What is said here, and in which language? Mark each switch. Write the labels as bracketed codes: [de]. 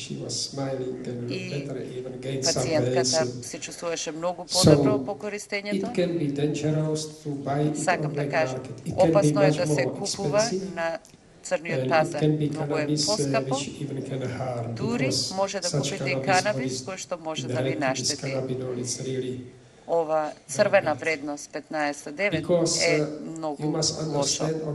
[en] She was smiling and better, even gained some weight. [mk] Пациентката се чувствуваше многу подобро по користењето. [en] It can be dangerous to buy it on the market. [mk] Опасно е да се купува на црниот пазар, многу е поскапо. Дури може да купите канабис кој што може да ви наштети. Ова црвена вредност 15.9 е многу лошо.